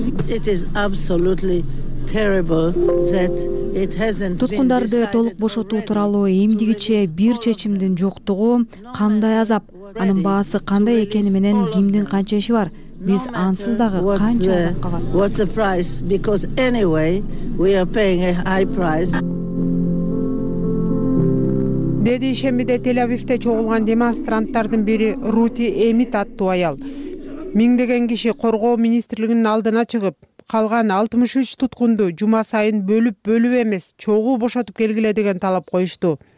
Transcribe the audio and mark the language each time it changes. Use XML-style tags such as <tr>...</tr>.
<en>It is absolutely terrible that it hasn't.</en> <ky>Туткундарды толук бошотуу тууралуу эмдигиче бир чечимдин жоктугу кандай азап, анын баасы кандай экени менен кимдин канча иши бар? Биз ансыз дагы канча азапка бардык?</ky> <en>What's the price? Because anyway, we are paying a high price.</en> <ky>Деди ишембиде Тель-Авивде чогулган демонстранттардын бири Рути Эмит аттуу аял. Миңдеген киши коргоо министрлигинин алдына чыгып, калган 63 туткунду жума сайын бөлүп-бөлүп эмес, чогуу бошотуп келгиле деген талап коюшту.</ky>